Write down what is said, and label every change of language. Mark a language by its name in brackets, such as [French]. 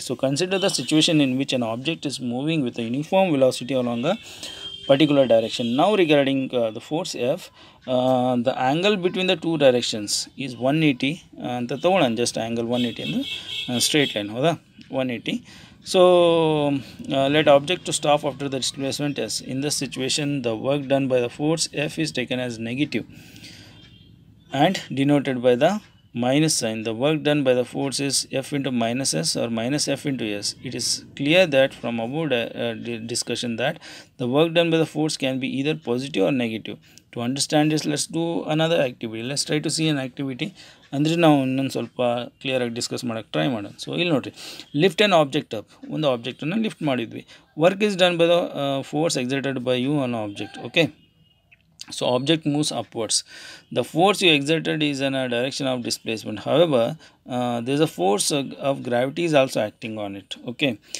[English] So consider the situation in which an object is moving with a uniform velocity along particular direction. ನಾವು regarding the force F, the angle between the two directions is 180 [Kannada] ಅಂತ ತೊಗೊಳ್ಳೋಣ. [English] Just angle 180 ಅಂದರೆ straight line, ಹೌದಾ, 180. So let object to stop after the displacement s. In this situation, the work done by the force F is taken as negative and denoted by the minus sign. The work done by the force is F into minus s or minus F into s. It is clear that from above discussion that the work done by the force can be either positive or negative. To understand this, let's do another activity. Let's try to see an activity. [Kannada] ಅಂದರೆ ನಾವು ಇನ್ನೊಂದು ಸ್ವಲ್ಪ ಕ್ಲಿಯರಾಗಿ discuss ಮಾಡೋಕ್ಕೆ try ಮಾಡೋಣ. So ಇಲ್ಲಿ ನೋಡಿರಿ, [English] lift an object up, [Kannada] ಒಂದು ಆಬ್ಜೆಕ್ಟನ್ನು ಲಿಫ್ಟ್ ಮಾಡಿದ್ವಿ. [English] Work is done by the force exerted by you on object, okay. So object moves upwards, the force you exerted is in a direction of displacement, however there's a force of gravity is also acting on it, okay.